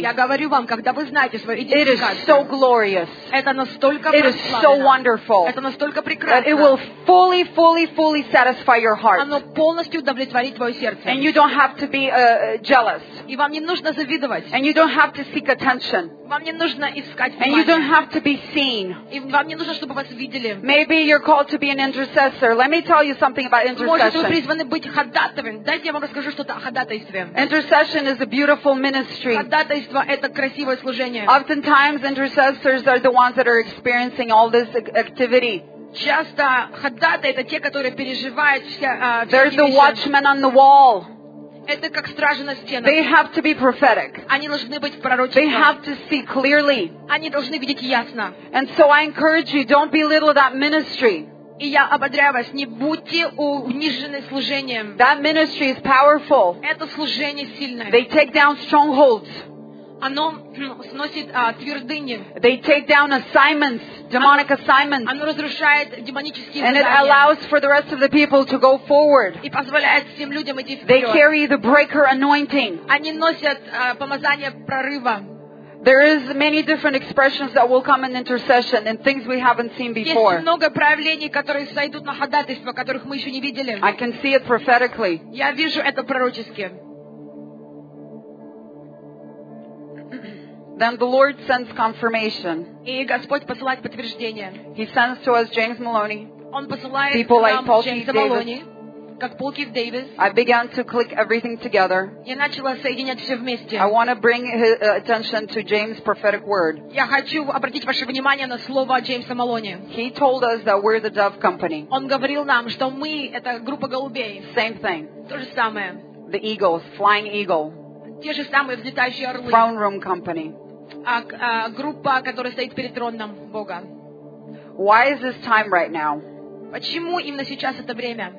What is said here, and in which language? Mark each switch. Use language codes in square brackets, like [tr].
[ru] я говорю вам, когда вы знаете свою идентификацию, [en] it is so glorious. [ru] Это настолько прекрасно. [en] It is so wonderful. [ru] Это настолько прекрасно. [en] That it will fully satisfy your heart. [ru] Оно полностью удовлетворит твое сердце. [en] And you don't have to be jealous. [ru] И вам не нужно завидовать. [en] And you don't have to seek attention. [ru] Вам не нужно искать внимание. [en] And you don't have to be seen. [ru] И вам не нужно, чтобы вас видели. [en] Maybe you're called to be an intercessor. Let me tell you something about intercession. [ru] Может, вы призваны быть ходатаем. Дайте я вам расскажу что-то о ходатайстве. [en] Intercession is a beautiful ministry. [ru] Ходатайство это красивое служение. [en] Oftentimes intercessors are the ones that are experiencing all this activity. [ru] Часто ходатай это те, которые переживают все. [en] There's the watchman on the wall. [ru] Это как стражи на стенах. [en] They have to be prophetic. [ru] Они должны быть пророчеством. [en] They have to see clearly. [ru] Они должны видеть ясно. [en] And so I encourage you, don't belittle that ministry. [ru] И я ободряю вас, не будьте унижены служением. [en] That ministry is powerful. [ru] Это служение сильное. [en] They take down strongholds. [ru] Оно сносит твердыни. [en] They take down assignments, demonic assignments. [ru] Оно разрушает демонические задания. [en] And it allows for the rest of the people to go forward. [ru] И позволяет всем людям идти вперед. [en] They carry the breaker anointing. [ru] Они носят помазание прорыва. [en] There is many different expressions that will come in intercession and things we haven't seen before. [ru] Есть много проявлений, которые сойдут на ходатайство, которых мы еще не видели. [en] I can see it prophetically. [ru] Я вижу это пророчески. [en] Then the Lord sends confirmation. [ru] И Господь посылает подтверждение. [en] He sends to us James Maloney. [ru] Он посылает [en] people like Paul James Keith Maloney, Davis. [ru] Как Paul Keith Davis. [en] I began to click everything together. [ru] Я начала соединять все вместе. [en] I want to bring attention to James' prophetic word. [ru] Я хочу обратить ваше внимание на слово Джеймса Малони. [en] He told us that we're the dove company. [ru] Он говорил нам, что мы это группа голубей. [en] Same thing. [ru] То же самое. [en] The eagles, flying eagle. [ru] Те же самые взлетающие орлы. [en] Throne room company. [ru] Группа, которая стоит перед троном Бога. [en] Why is this time right now? [ru] Почему именно сейчас это время?